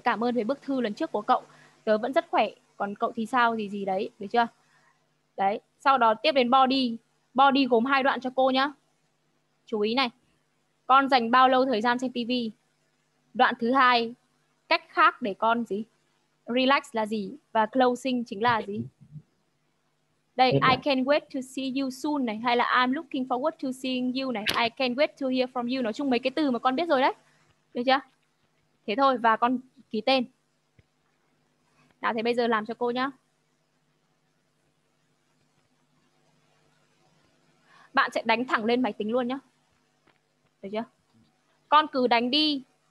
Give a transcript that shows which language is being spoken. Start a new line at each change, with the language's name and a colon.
Vietnamese: Cảm ơn với bức thư lần trước của cậu, tớ vẫn rất khỏe. Còn cậu thì sao, gì gì đấy, được chưa? Đấy, sau đó tiếp đến body. Body gồm hai đoạn cho cô nhá. Chú ý này, con dành bao lâu thời gian xem tivi. Đoạn thứ hai, cách khác để con gì, relax là gì, và closing chính là gì.
English: Đây, I can't wait to see you soon này,
Vietnamese: hay là
English: I'm looking forward to seeing you này, I can't wait to hear from you.
Vietnamese: Nói chung mấy cái từ mà con biết rồi đấy. Được chưa? Thế thôi, và con ký tên. Nào, thế bây giờ làm cho cô nhá. Bạn sẽ đánh thẳng lên máy tính luôn nhá. Được chưa? Con cứ đánh đi.